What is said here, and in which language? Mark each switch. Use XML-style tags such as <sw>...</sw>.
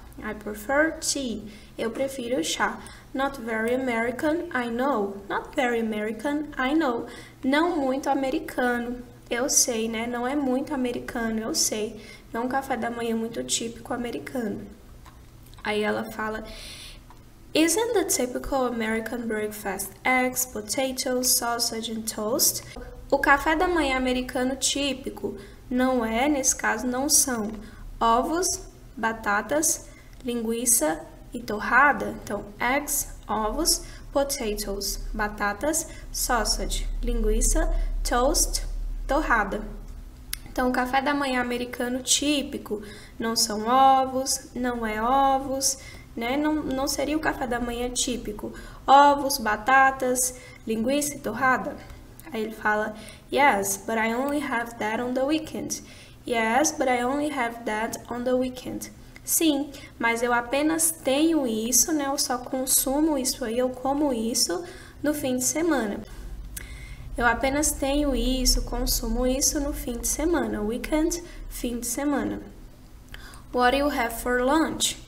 <en>I prefer tea.</en> <pt>Eu prefiro chá.</pt> <en>Not very American, I know. Not very American, I know.</en> <pt>Não muito americano, eu sei, né? Não é muito americano, eu sei. Não é um café da manhã muito típico americano. Aí ela fala:</pt> <en>Isn't the typical American breakfast eggs, potatoes, sausage and toast?</en> <pt>O café da manhã americano típico não é, nesse caso, não são ovos, batatas, linguiça e torrada? Então, eggs, ovos, potatoes, batatas, sausage, linguiça, toast, torrada. Então, o café da manhã americano típico não são ovos, não é ovos, né? Não seria o café da manhã típico. Ovos, batatas, linguiça e torrada. Aí ele fala,</pt> <en>yes, but I only have that on the weekend. Yes, but I only have that on the weekend.</en> <pt>Sim, mas eu apenas tenho isso, né? Eu só consumo isso aí, eu como isso no fim de semana. Eu apenas tenho isso, consumo isso no fim de semana.</pt> <en>Weekend,</en> <pt>fim de semana.</pt> <en>What do you have for lunch?</en>